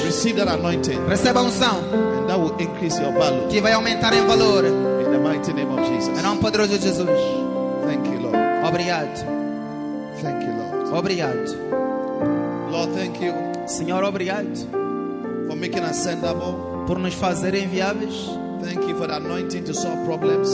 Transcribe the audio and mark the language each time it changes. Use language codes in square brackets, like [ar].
[en] Receive that anointing. [pt] Receba a unção. [en] And that will increase your value. [pt] Que vai aumentar em valor. [en] In the mighty name of Jesus. [pt] Em nome poderoso de Jesus. [en] Thank you, Lord. [pt] Obrigado. [en] Thank you, Lord. [pt] Obrigado. [en] Lord, thank you. [pt] Senhor, obrigado. [en] For making us sendable. [pt] Por nos fazer enviáveis. [en] Thank you for the anointing to solve problems.